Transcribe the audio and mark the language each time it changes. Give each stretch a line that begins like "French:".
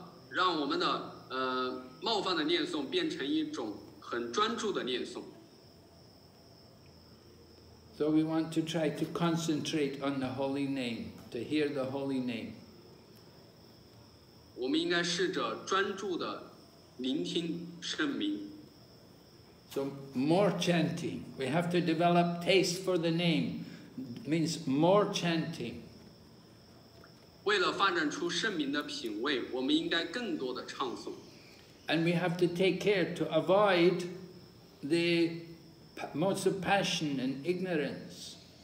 Chinese: 让我们的冒犯的念诵变成一种很专注的念诵。
English: So we want to try to concentrate on the holy name, to hear the holy name.
Chinese: 我们应该试着专注的聆听圣名。
English: So more chanting. We have to develop taste for the name. Means more chanting.
Chinese: 为了发展出圣名的品味，我们应该更多的唱诵。
English: And we have to take care to avoid the modes of passion and ignorance.